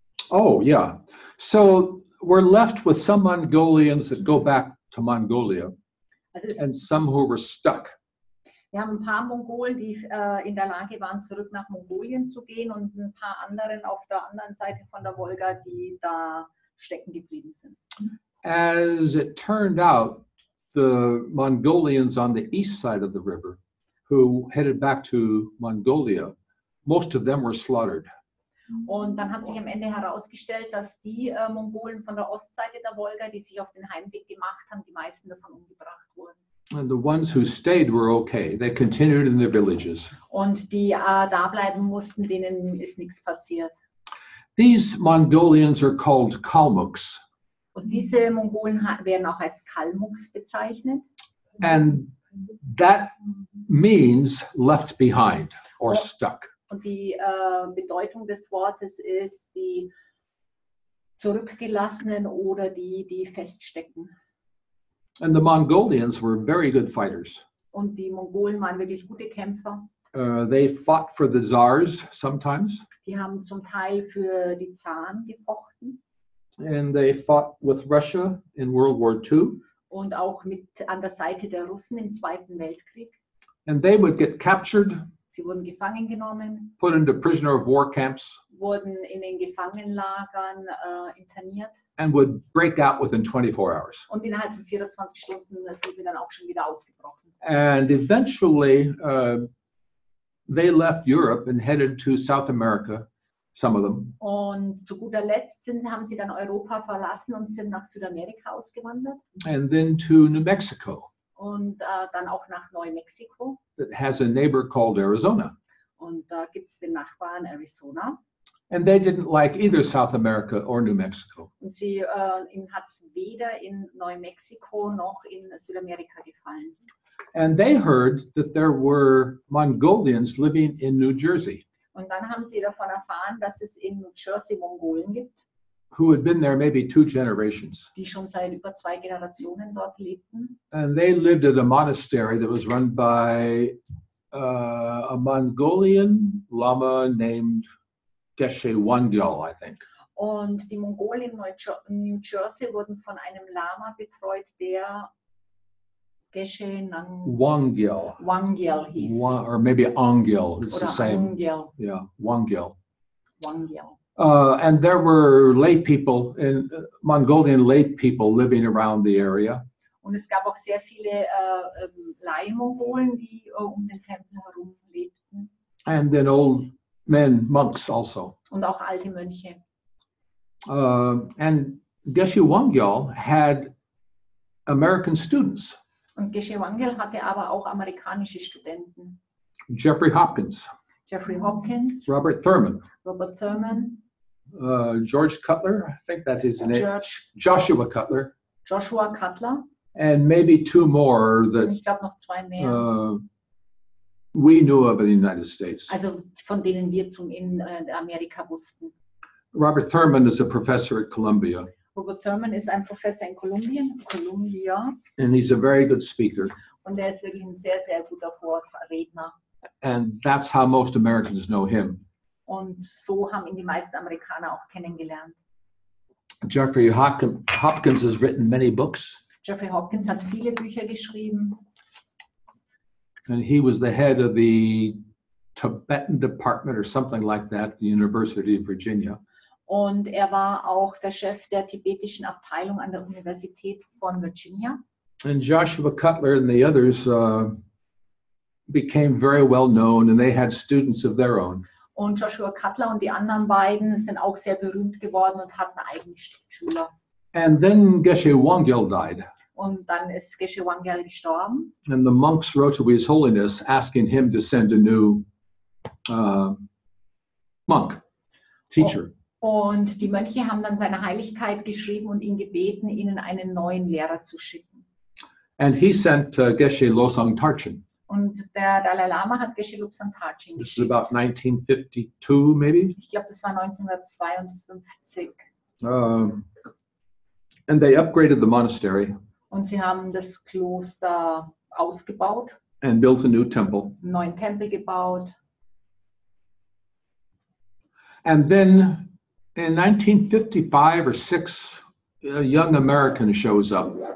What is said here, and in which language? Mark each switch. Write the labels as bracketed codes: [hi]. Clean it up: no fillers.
[en] Oh, yeah. So we're left with some Mongolians that go back to Mongolia and some who were stuck. [de] Wir haben ein paar Mongolen, die in der Lage waren, zurück nach Mongolien zu gehen und ein paar anderen auf der anderen Seite von der Wolga, die da stecken geblieben sind. [en] As it turned out, the Mongolians on the east side of the river who headed back to Mongolia, most of them were slaughtered. [de] Und dann hat sich am Ende herausgestellt, dass die Mongolen von der Ostseite der Wolga, die sich auf den Heimweg gemacht haben, die meisten davon umgebracht wurden. [en] And the ones who stayed were okay. They continued in their villages. [de] Und die da bleiben mussten, denen ist nichts passiert. [en] These Mongolians are called Kalmucks. [de] Und diese Mongolen werden auch als Kalmucks bezeichnet. [en] And that means left behind or stuck. [de] Und die Bedeutung des Wortes ist die Zurückgelassenen oder die feststecken. [en] And the Mongolians were very good fighters. [de] Und die Mongolen waren wirklich gute Kämpfer. [en] They fought for the Tsars sometimes. [de] Die haben zum Teil für die Zaren gefochten. [en] And they fought with Russia in World War II. [de] Und auch mit an der Seite der Russen im Zweiten Weltkrieg. [en] And they would get captured. [de] Sie wurden gefangen genommen. [en] Put into prisoner of war camps. [de] Wurden in den Gefangenenlagern interniert. [en] And would break out within 24 hours. [de] Und innerhalb von 24 Stunden sind sie dann auch schon wieder ausgebrochen. [en] And eventually they left Europe and headed to South America some of them. [de] Und zu guter Letzt haben sie dann Europa verlassen und sind nach Südamerika ausgewandert. [en] And then to New Mexico. [de] Und dann auch nach Neu-Mexiko. [en] That has a neighbor called Arizona. [de] Und da gibt es den Nachbarn Arizona. [en] And they didn't like either South America or New Mexico. [de] Und sie ihnen hat es weder in Neu-Mexiko noch in Südamerika gefallen. [en] And they heard that there were Mongolians living in New Jersey. [de] Und dann haben sie davon erfahren, dass es in New Jersey Mongolen gibt. [en] Who had been there maybe two generations. [de] Die schon seit über zwei Generationen dort lebten. [en] And they lived at a monastery that was run by a Mongolian Lama named Geshe Wangyal, I think. [de] Und die Mongolen in New Jersey wurden von einem Lama betreut, der Geshe Wangyal hieß. [en] Or maybe Angyal, it's [de] oder [en] the same. Angyal. Yeah, Wangyal. Wangyal. And there were lay people, in Mongolian lay people living around the area. [de] Und es gab auch sehr viele Laienmongolen, die um den Tempel herum lebten. [en] And then old men, monks also. [de] Und auch alte Mönche. [en] And Geshe Wangyal had American students. [de] Und Geshe Wangyal hatte aber auch amerikanische Studenten. [en] Jeffrey Hopkins. [de] Jeffrey Hopkins. [en] Robert Thurman. [de] Robert Thurman. [en] George Cutler, I think that is his name. [de] Joshua Cutler. Joshua Cutler. [en] And maybe two more that. [de] Ich glaube noch zwei mehr. [en] We knew of in the United States. [de] Also von denen wir zum in Amerika wussten. [en] Robert Thurman is a professor at Columbia. [de] Robert Thurman ist ein Professor in Columbia. [en] And he's a very good speaker. [de] Und er ist wirklich ein sehr, sehr guter Vortredner. [en] And that's how most Americans know him. [de] Und so haben ihn die meisten Amerikaner auch kennengelernt. [en] Jeffrey Hopkins has written many books. [de] Jeffrey Hopkins hat viele Bücher geschrieben. [en] And he was the head of the Tibetan Department or something like that, the University of Virginia. [de] Und er war auch der Chef der tibetischen Abteilung an der Universität von Virginia. [en] And Joshua Cutler and the others became very well known, and they had students of their own. [de] Und Joshua Cutler und die anderen beiden sind auch sehr berühmt geworden und hatten eigene Schüler. [en] And then Geshe Wangyal died. [de] Und dann ist Geshe Wangyal gestorben. [en] And the monks wrote to His Holiness asking him to send a new monk, teacher. [de] Und die Mönche haben dann seiner Heiligkeit geschrieben und ihn gebeten, ihnen einen neuen Lehrer zu schicken. [en] And he sent Geshe Losang Tarchin. [de] Und der Dalai Lama hat Geshe Losang Tarchin geschickt. [en] This is about 1952, maybe? [de] Ich glaube, das war 1952. [en] And they upgraded the monastery. [de] Und sie haben das Kloster ausgebaut. [en] And built a new temple. [de] Einen neuen Tempel gebaut. [en] And then in 1955 or 6, a young American shows up.